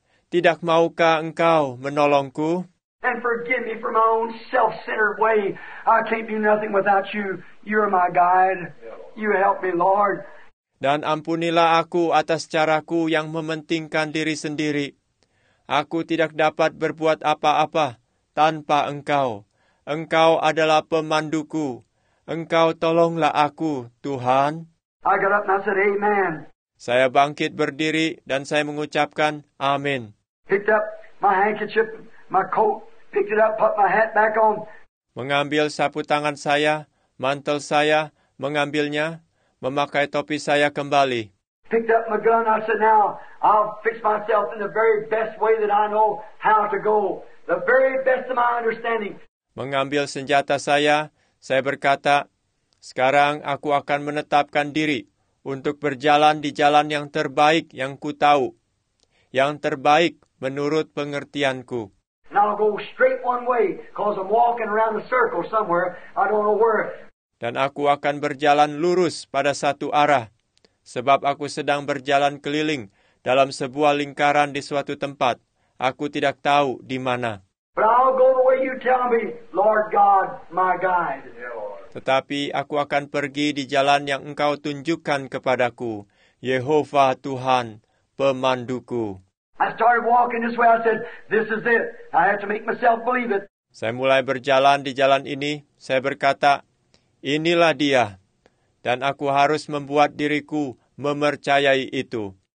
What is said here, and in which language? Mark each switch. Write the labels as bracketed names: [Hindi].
[Indonesian] Tidak maukah engkau menolongku? [English] And forgive me for my own self-centered way. I can't do nothing without you. You are my guide. You help me, Lord. [Indonesian] Dan ampunilah aku atas caraku yang mementingkan diri sendiri. Aku tidak dapat berbuat apa-apa tanpa engkau. Engkau adalah pemanduku. Engkau tolonglah aku, Tuhan. [English] I got up and I said, Amen. [Indonesian] Saya bangkit berdiri dan saya mengucapkan amin. [English] Picked up my handkerchief, my coat, picked it up, put my hat back on. [Indonesian] Mengambil sapu tangan saya, mantel saya, mengambilnya, memakai topi saya kembali. [English] Picked up my gun, I said, now I'll fix myself in the very best way that I know how to go. The very best of my understanding. [Indonesian] Mengambil senjata saya berkata, sekarang aku akan menetapkan diri untuk berjalan di jalan yang terbaik yang ku tahu, yang terbaik menurut pengertianku. [English] And I'll go straight one way, cause I'm walking around a circle somewhere, I don't know where. [Indonesian] Dan aku akan berjalan lurus pada satu arah, sebab aku sedang berjalan keliling dalam sebuah lingkaran di suatu tempat. Aku tidak tahu di mana. [English] But I'll go the way you tell me, Lord God, my guide. [Indonesian] Tetapi aku akan pergi di jalan yang engkau tunjukkan kepadaku, Yehova Tuhan, pemanduku. [English] I started walking this way. I said, this is it. I have to make myself believe it. [Indonesian] Saya mulai berjalan di jalan ini. Saya berkata, inilah dia. Dan aku harus membuat diriku memercayai itu.